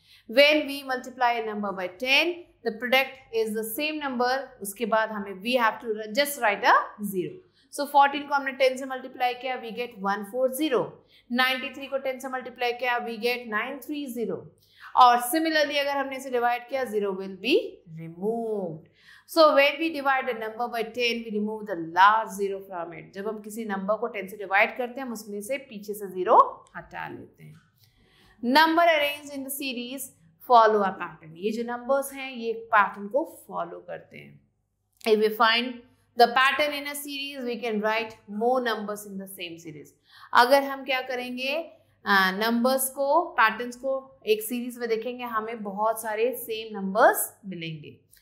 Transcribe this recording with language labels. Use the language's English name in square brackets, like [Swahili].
[English] When we multiply a number by 10, the product is the same number. [Hindi] Uske baad hume, [English] we have to just write a 0. [Hindi] So 14 को हमने 10 से multiply किया, [English] we get 140. [Hindi] 93 को 10 से multiply किया, [English] we get 930. [Hindi] और similarly अगर हमने इसे डिवाइड किया, [English] 0 will be removed. So when we divide a number by 10, we remove the last 0 from it. [Hindi] जब हम किसी नंबर को 10 से डिवाइड करते हैं, हम उसमें से पीछे से 0 हटा लेते हैं. [English] Number arranged in the series follow a pattern. [Hindi] ये जो numbers हैं, ये pattern को follow करते हैं. [English] If we find the pattern in a series, we can write more numbers in the same series. [Hindi] अगर हम क्या करेंगे, numbers को, patterns को एक series में देखेंगे, हमें बहुत सारे same numbers मिलेंगे.